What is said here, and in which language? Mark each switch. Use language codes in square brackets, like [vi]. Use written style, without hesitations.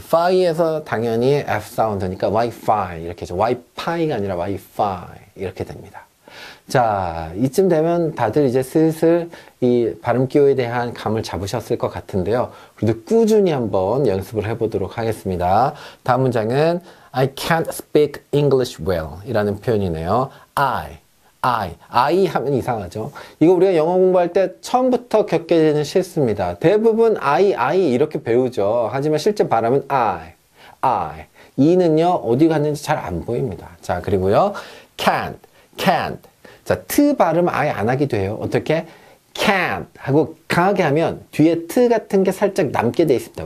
[ko] 파이에서 당연히 F 사운드니까 와이파이 이렇게 하죠. 와이파이가 아니라 와이파이 이렇게 됩니다. 자, 이쯤 되면 다들 이제 슬슬 이 발음 기호에 대한 감을 잡으셨을 것 같은데요. 그래도 꾸준히 한번 연습을 해보도록 하겠습니다. 다음 문장은 [en] I can't speak English well [ko] 이라는 표현이네요. I 하면 이상하죠. 이거 우리가 영어 공부할 때 처음부터 겪게 되는 실수입니다. 대부분 I 이렇게 배우죠. 하지만 실제 발음은 I. E는요, 어디 갔는지 잘 안 보입니다. 자, 그리고요, can't. 자, t 발음 아예 안 하게 돼요. 어떻게? can't 하고 강하게 하면 뒤에 t 같은 게 살짝 남게 돼 있습니다.